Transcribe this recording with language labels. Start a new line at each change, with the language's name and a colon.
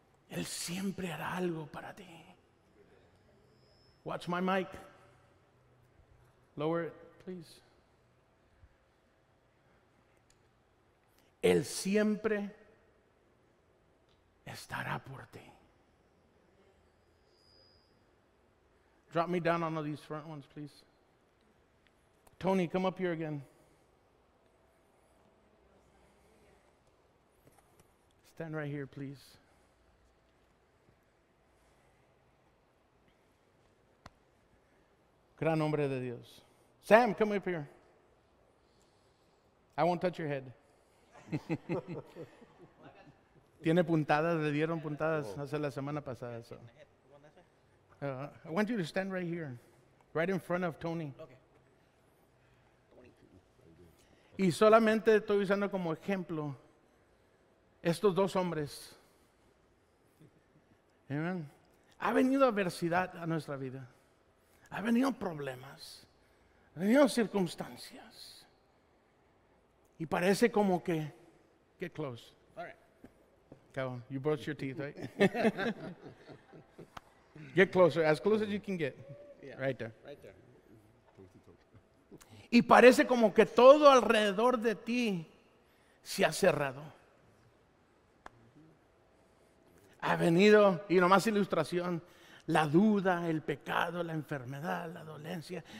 Spanish: Él siempre hará algo para ti.
English: Watch my mic. Lower it, please.
Spanish: Él siempre estará por ti.
English: Drop me down on these front ones, please. Tony, come up here again. Stand right here, please.
Spanish: Gran hombre de Dios. Sam,
English: come up here. I won't touch your head.
Spanish: Tiene puntadas, le dieron puntadas hace la semana pasada.
English: So. I want you to stand right here, right in front of Tony.
Spanish: Y solamente estoy usando como ejemplo estos dos hombres. Amen. Ha venido adversidad a nuestra vida. Ha venido problemas, ha venido circunstancias. Y parece como que,
English: get close. All right. Come on, you brush your teeth, right? Get closer, as close as you can get. Yeah. Right there. Right there.
Spanish: Y parece como que todo alrededor de ti se ha cerrado. Ha venido, y nomás ilustración, la duda, el pecado, la enfermedad, la dolencia.